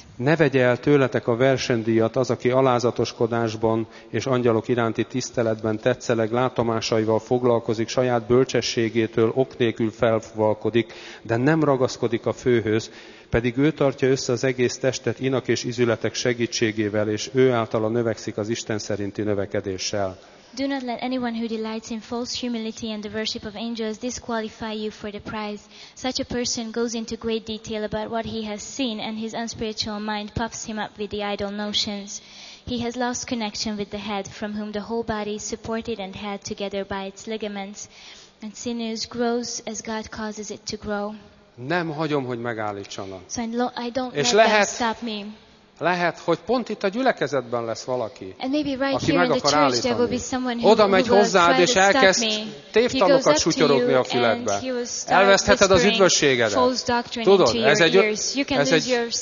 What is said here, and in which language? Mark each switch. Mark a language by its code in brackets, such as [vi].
[hu] ne vegye el tőletek a versendíjat az, aki alázatoskodásban és angyalok iránti tiszteletben tetszeleg látomásaival foglalkozik, saját bölcsességétől ok nélkül felfúvalkodik, de nem ragaszkodik a főhöz, pedig ő tartja össze az egész testet inak és izületek segítségével, és ő általa növekszik az Isten szerinti növekedéssel. [en] Do not let anyone who delights in false humility and the worship of angels disqualify you for the prize. Such a person goes into great detail about what he has seen, and his unspiritual mind puffs him up with the idle notions. He has lost connection with the head, from whom the whole body is supported and held together by its ligaments, and sinews grows as God causes it to grow. [hu] Nem hagyom, hogy megállítsanak. [en] So I don't [hu] és [en] let them stop me. [hu] Lehet, hogy pont itt a gyülekezetben lesz valaki, [en] right [hu] aki meg akar állítani. Oda megy hozzád, és elkezd tévtanokat sutyorogni a fületbe. Elvesztheted az üdvösségedet. Tudod, ez egy...